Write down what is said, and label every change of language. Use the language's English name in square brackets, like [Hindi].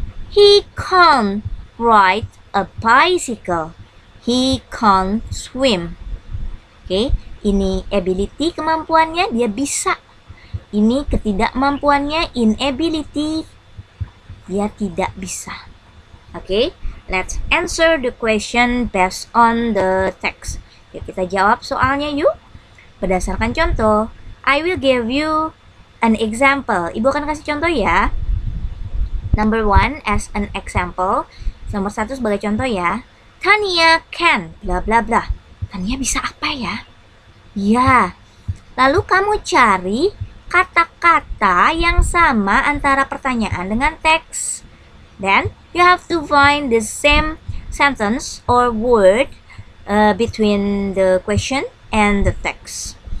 [English] He can ride a bicycle. He can swim. [Indonesian] Oke, ini ability kemampuannya, dia bisa. Ini ketidakmampuannya, inability, dia tidak bisa. [English] Oke, let's answer the question based on the text. [Indonesian] Yuk kita jawab soalnya yuk. Berdasarkan contoh, [English] I will give you an example. [Indonesian] Ibu akan kasih contoh ya. [English] Number one as an example. [Indonesian] Nomor satu sebagai contoh ya. [English] Tania can bla bla bla. [Indonesian] Tania bisa apa ya? Ya. Lalu kamu cari kata-kata yang sama antara pertanyaan dengan teks. [English] Then you have to find the same sentence or word between the question and the text.